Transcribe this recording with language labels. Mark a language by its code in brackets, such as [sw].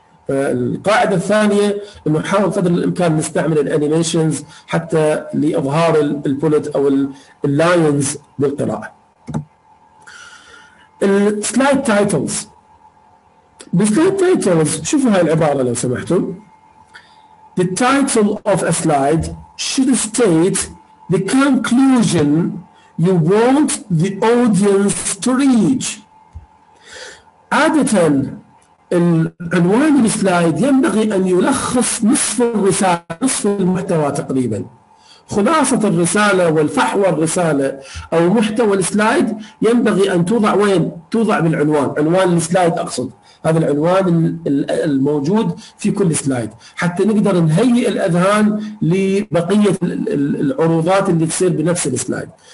[ar] القاعدة الثانية نحاول قدر الإمكان نستعمل الأنيميشنز حتى لإظهار البولت أو اللاينز بالقراءة. السلايد تايتلز، السلايد تايتلز، شوفوا هاي العبارة لو سمحتم. [en] The title of a slide should state the conclusion you want the audience to reach. [ar] عادة العنوان السلايد ينبغي أن يلخص نصف الرسالة، نصف المحتوى تقريبا، خلاصة الرسالة والفحوى الرسالة أو محتوى السلايد ينبغي أن توضع وين؟ توضع بالعنوان، عنوان السلايد أقصد، هذا العنوان الموجود في كل سلايد حتى نقدر نهيئ الأذهان لبقية العروضات اللي تصير بنفس السلايد.